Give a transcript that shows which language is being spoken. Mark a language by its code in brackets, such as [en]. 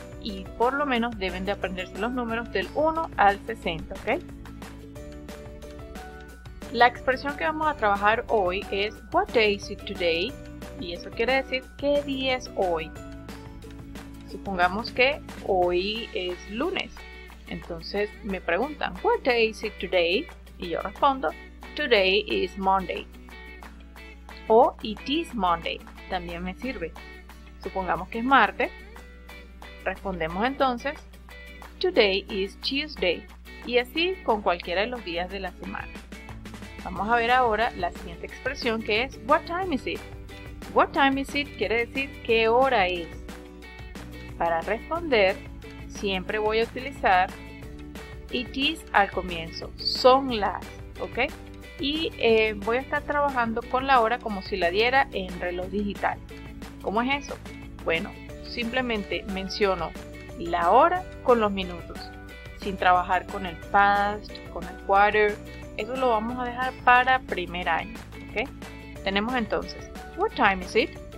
[es] Y por lo menos deben de aprenderse los números del 1 al 60, ¿ok? La expresión que vamos a trabajar hoy es [en] What day is it today? [es] Y eso quiere decir, ¿qué día es hoy? Supongamos que hoy es lunes. Entonces me preguntan, [en] What day is it today? [es] Y yo respondo, [en] Today is Monday. [es] O [en] It is Monday, [es] también me sirve. Supongamos que es martes. Respondemos entonces, [en] Today is Tuesday. [es] Y así con cualquiera de los días de la semana. Vamos a ver ahora la siguiente expresión que es [en] What time is it? What time is it [es] quiere decir ¿qué hora es? Para responder, siempre voy a utilizar It is al comienzo, son las, ¿ok? Y voy a estar trabajando con la hora como si la diera en reloj digital. ¿Cómo es eso? Bueno, simplemente menciono la hora con los minutos, sin trabajar con el past, con el quarter. Eso lo vamos a dejar para primer año, ¿ok? Tenemos entonces, [en] What time is it?